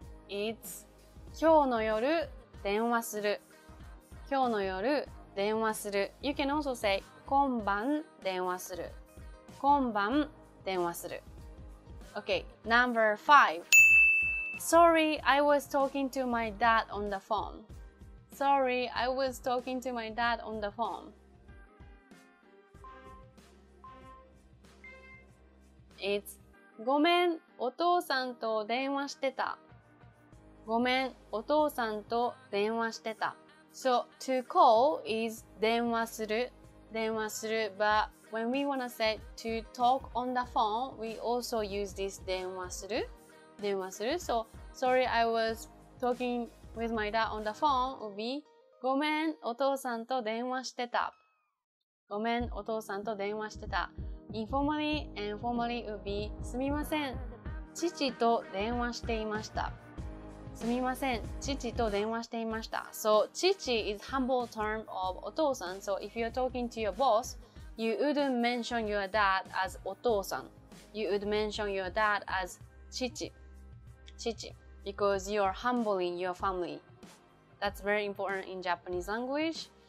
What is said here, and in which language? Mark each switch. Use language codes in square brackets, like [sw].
[en] It's [ja] 今日の夜電話する今日の夜電話する [en] You can also say [ja] 今晩電話する今晩電話する [en] Okay, number 5. Sorry, I was talking to my dad on the phone. Sorry, I was talking to my dad on the phone. It's [ja] ごめん、お父さんと電話してた。ごめん、お父さんと電話してた。 [en] So, to call is [ja] 電話する、電話する。 [en] But when we want to say to talk on the phone, we also use this [ja] 電話する、電話する。 [en] So, sorry, I was talking... With my dad on the phone would be [ja] ごめん、お父さんと電話してた。ごめん、お父さんと電話してた。 [en] Informally and formally would be [ja] すみません、父と電話していました。すみません、父と電話していました。 [en] So, 父 is humble term of お父さん. So, if you're talking to your boss, you wouldn't mention your dad as お父さん. You would mention your dad as 父。父。 Because you are humbling your family. That's very important in Japanese language.